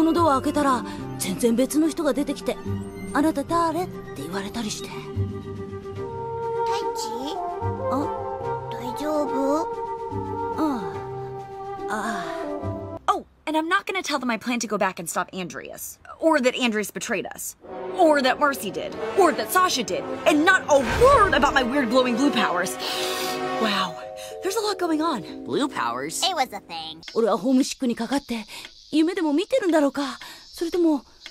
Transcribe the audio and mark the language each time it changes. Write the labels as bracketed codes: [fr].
[ja] きっと心配していただろうな。大地、早く顔見せてあげなよ。あ、そうだな。あれ、そういえば俺が向こうの世界ってどのぐらい経ったんだ？1ヶ月？1年？それともひょっとしたら父さんや母さんは俺のこともう忘れちゃってるんじゃないだろうか。このドア開けたら全然別の人が出てきて、あなた誰?って言われたりして。大地?あ、大丈夫? [en] Oh, and I'm not gonna tell them I plan to go back and stop Andreas. Or that Andreas betrayed us. Or that Mercy did. Or that Sasha did. And not a word about my weird glowing blue powers. Wow, there's a lot going on. Blue powers? It was a thing. [ja] 俺はホームシックにかかって夢でも見てるんだろうか?それとも...